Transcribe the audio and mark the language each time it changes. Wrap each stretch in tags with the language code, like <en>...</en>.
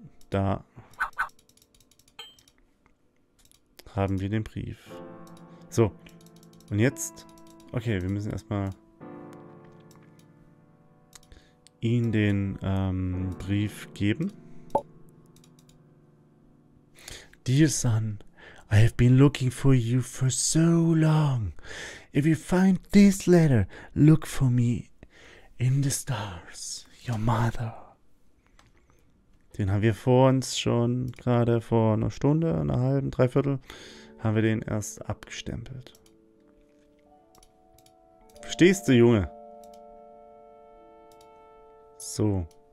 <de>Da haben wir den Brief. So. Und jetzt. Okay, wir müssen erstmal ihn den Brief geben.</de> <en>Dear son, I have been looking for you for so long. If you find this letter, look for me in the stars, your mother.</en> <de>Den haben wir vor uns schon gerade vor einer Stunde, einer halben, dreiviertel, haben wir den erst abgestempelt. Verstehst du, Junge? So.</de>